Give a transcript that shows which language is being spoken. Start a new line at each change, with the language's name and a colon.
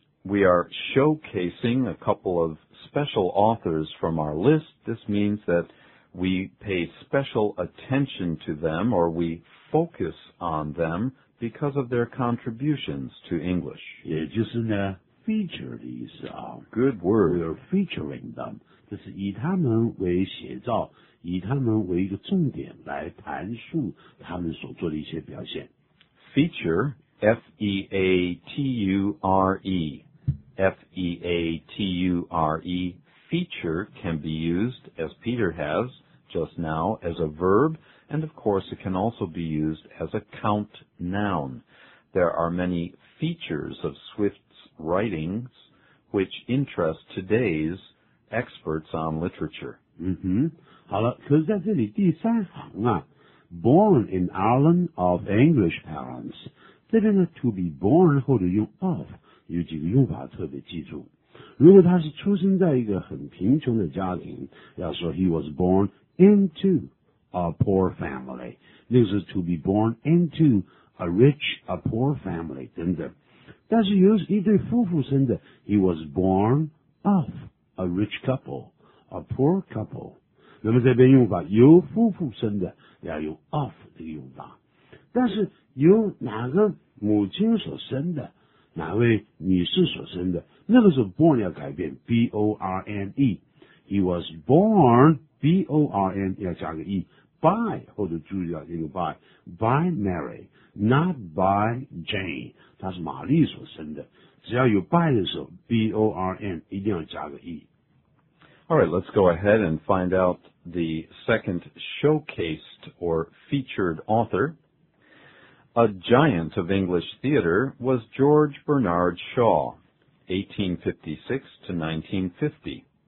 English: We are showcasing a couple of special authors from our list. This means that we pay special attention to them, or we focus on them because of their contributions to English. Yeah, just in a feature these. Good word. We are featuring them.
Chinese: 这是以他们为写照, 以他们为一个重点来谈述他们所做的一些表现.
English: Feature, F-E-A-T-U-R-E. F-E-A-T-U-R-E, feature, can be used, as Peter has just now, as a verb, and of course it can also be used as a count noun. There are many features of Swift's writings which interest today's experts on literature. Mm-hmm.
Chinese: 好了,可是在这里第三行啊,
English: born in Ireland of English parents,
Chinese: 这边呢,
English: to be born
Chinese: 或者用 of, 有几个用法特别记住。如果他是出生在一个很贫穷的家庭, 要说
English: he was born into a poor family.
Chinese: 那个是
English: to be born into a rich, a poor family,
Chinese: 等等。但是有一对夫妇生的,
English: he was born of a rich couple, a poor couple.
Chinese: 那么这边用法, 由夫妇生的, 要用 of这个用法。但是由哪个母亲所生的, 哪位女士所生的, 那个时候 born要改变, B-O-R-N-E.
English: He was born, B-O-R-N,
Chinese: 要加个E,
English: by,
Chinese: 或者注意到这个by,
English: by Mary, not by Jane.
Chinese: 她是玛丽所生的, 只要有by的时候, B-O-R-N, 一定要加个E.
English: Alright, let's go ahead and find out the second showcased or featured author. A giant of English theater was George Bernard Shaw, 1856 to 1950.